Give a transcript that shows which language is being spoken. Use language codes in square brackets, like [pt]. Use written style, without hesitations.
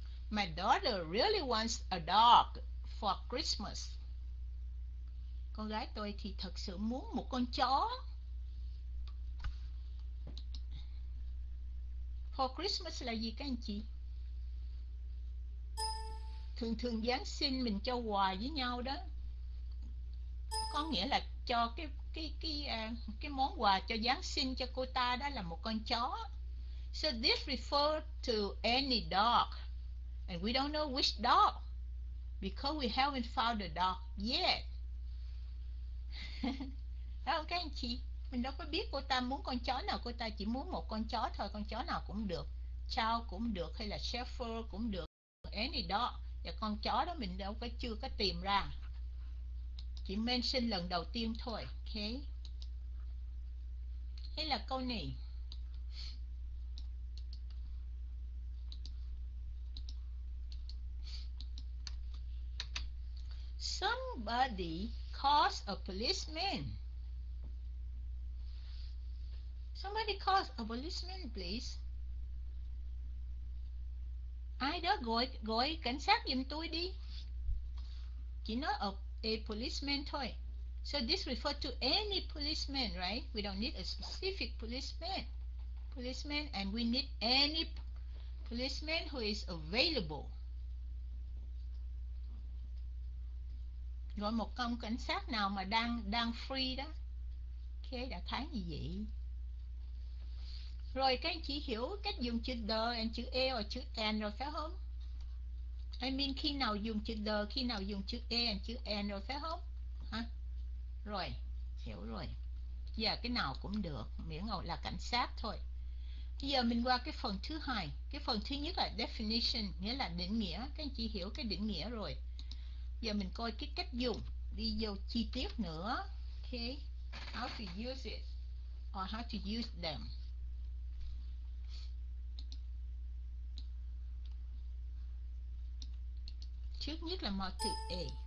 [en] My daughter really wants a dog for Christmas. [vi] Con gái tôi thì thật sự muốn một con chó. [en] For Christmas [vi] là gì các anh chị? Thường thường Giáng sinh mình cho quà với nhau đó. Có nghĩa là cho cái món quà cho Giáng sinh cho cô ta đó là một con chó. [en] So this refer to any dog. And we don't know which dog because we haven't found the dog yet. [vi] Đúng không các anh chị? Mình đâu có biết cô ta muốn con chó nào, cô ta chỉ muốn một con chó thôi, con chó nào cũng được. Chow cũng được hay là Shepherd cũng được. [en] Any dog. [vi] Và con chó đó mình đâu có chưa có tìm ra. Chỉ mention lần đầu tiên thôi. Ok. Thế là câu này. [en] Somebody calls a policeman. Somebody calls a policeman, please. [vi] Ai đó gọi gọi cảnh sát giùm tôi đi. Chỉ nói a policeman thôi. [en] So this refer to any policeman, right? We don't need a specific policeman. Policeman, and we need any policeman who is available. [vi] Gọi một công cảnh sát nào mà đang đang free đó. Ok, đã thấy như vậy. Rồi các anh chị hiểu cách dùng chữ the and chữ e và chữ and rồi phải không? [en] I mean [vi] khi nào dùng chữ the, khi nào dùng chữ e and chữ and rồi phải không? Hả? Rồi, hiểu rồi. Giờ cái nào cũng được, miễn là cảnh sát thôi. Bây giờ mình qua cái phần thứ hai. Cái phần thứ nhất là definition, nghĩa là định nghĩa. Các anh chị hiểu cái định nghĩa rồi. Giờ mình coi cái cách dùng, đi vô chi tiết nữa. Okay. [en] How to use it or how to use them. [vi] Trước nhất là mở từ A.